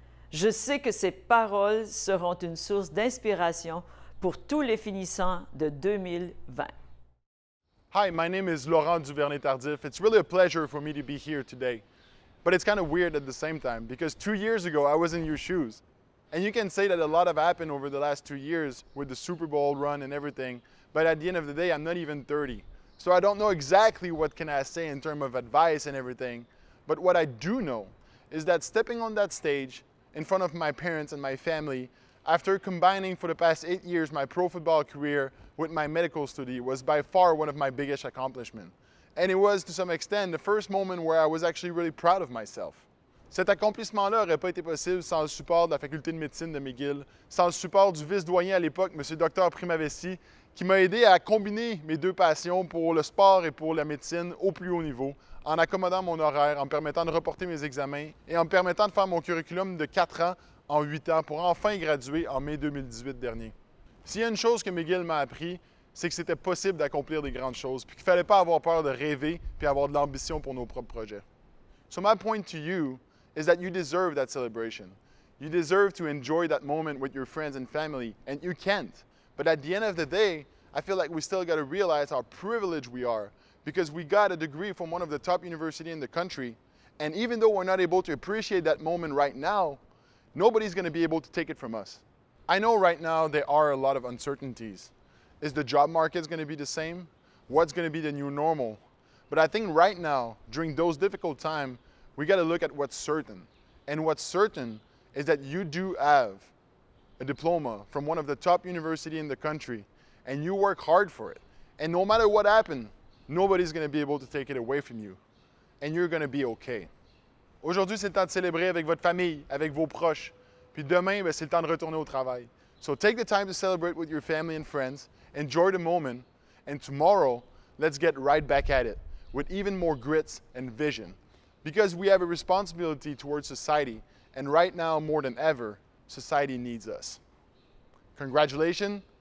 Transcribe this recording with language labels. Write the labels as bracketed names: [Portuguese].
[French] Je sais que ses paroles seront une source d'inspiration pour tous les finissants de 2020. [English] Hi, my name is Laurent Duvernay-Tardif. It's really a pleasure for me to be here today. But it's kind of weird at the same time, because 2 years ago, I was in your shoes. And you can say that a lot have happened over the last 2 years with the Super Bowl run and everything, but at the end of the day, I'm not even 30. So I don't know exactly what can I say in terms of advice and everything, but what I do know is that stepping on that stage in front of my parents and my family, after combining for the past 8 years my pro football career with my medical study, was by far one of my biggest accomplishments. And it was, to some extent, the first moment where I was actually really proud of myself. [French] Cet accomplissement-là n'aurait pas été possible sans le support de la faculté de médecine de McGill, sans le support du vice-doyen à l'époque, M. Dr. Primavesti, qui m'a aidé à combiner mes deux passions pour le sport et pour la médecine au plus haut niveau, en accommodant mon horaire, en permettant de reporter mes examens et en permettant de faire mon curriculum de 4 ans en 8 ans pour enfin graduer en mai 2018 dernier. S'il y a une chose que McGill m'a appris, c'est que c'était possible d'accomplir des grandes choses puis qu'il ne fallait pas avoir peur de rêver puis avoir de l'ambition pour nos propres projets. [English] So my point to you is that you deserve that celebration. You deserve to enjoy that moment with your friends and family, and you can't. But at the end of the day, I feel like we still got to realize how privileged we are, because we got a degree from one of the top universities in the country, and even though we're not able to appreciate that moment right now, nobody's going to be able to take it from us. I know right now there are a lot of uncertainties. Is the job market going to be the same? What's going to be the new normal? But I think right now, during those difficult times, we got to look at what's certain. And what's certain is that you do have a diploma from one of the top universities in the country, and you work hard for it. And no matter what happened, nobody's going to be able to take it away from you. And you're going to be okay. [French] Aujourd'hui, c'est le temps de célébrer avec votre famille, avec vos proches. Puis demain, c'est le temps de retourner au travail. [English] So take the time to celebrate with your family and friends. Enjoy the moment, and tomorrow, let's get right back at it with even more grits and vision, because we have a responsibility towards society, and right now, more than ever, society needs us. Congratulations,